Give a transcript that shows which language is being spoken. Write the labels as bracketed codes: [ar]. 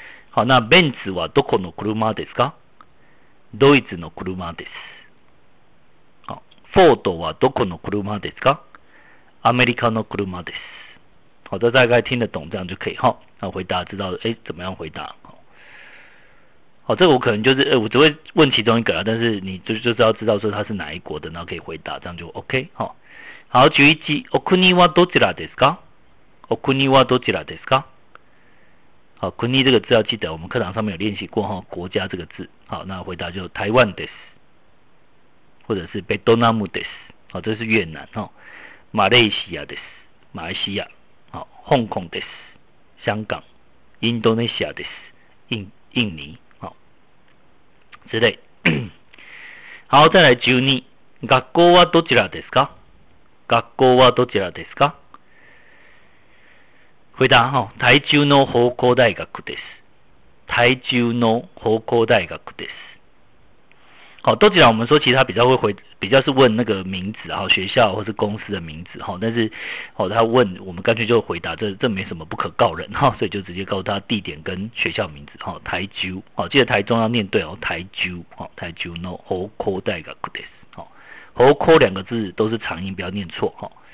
[ja] 好，那ベンツはどこの車ですか？ドイツの車です。好，フォードはどこの車ですか？アメリカの車です。 [zh] 好，这大概听得懂，这样就可以哈。那回答知道，怎么样回答？好，这个我可能就是我只会问其中一个啦，但是你就是要知道说它是哪一国的，然后可以回答，这样就 OK 好。 [ja] 好， [zh] 举一句， [ja] お国はどちらですか？お国はどちらですか？ [zh] 好，国这个字要记得，我们课堂上面有练习过哈，国家这个字。好，那回答就 [ja] 台湾です， [zh] 或者是 [ja] ベトナムです， [zh] 好，这是越南哈， [ja] 马来西亚です， [zh] 马来西亚，好， [ja] 香港です， [zh] 香港， [ja] インドネシアです， [zh] 印尼。之类好，再来12。 [ja] 学校はどちらですか？学校はどちらですか？ [zh] 回答哈， [ja] 台中の方向大学です。台中の方向大学です。 [zh] 好，どちら我们说其实他比较会回，比较是问那个名字哈，学校或是公司的名字哈，但是好他问我们干脆就回答，这没什么不可告人哈，所以就直接告诉他地点跟学校名字哈，台中好，记得台中要念对哦，台中好， [ja] 台中の方向大学です， [zh] 好，方向两个字都是长音，不要念错哈。